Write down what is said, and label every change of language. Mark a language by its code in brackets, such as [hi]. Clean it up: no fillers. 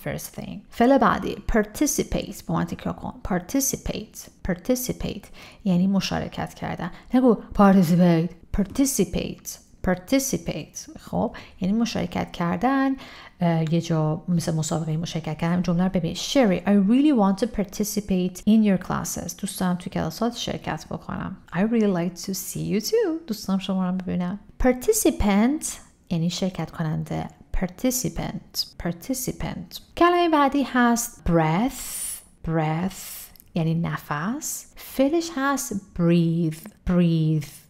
[en] First thing. [fa] فعل بعدی participate. با من تکرار کن. Participate. Participate یعنی مشارکت کردن. نگو participate. Participate. Participate. خب یعنی مشارکت کردن. یه جا مثل مسابقه مشارکت کردن. جمله رو ببین. [en] Sherry, I really want to participate in your classes. [fa] دوست دارم تو کلاسات شرکت بکنم. [en] I really like to see you too. [fa] دوست دارم شما رو ببینم. Participant یعنی شرکت کننده. Participant. Participant. کلمه بعدی هست breath. Breath یعنی نفس. فعلش هست breathe. Breathe.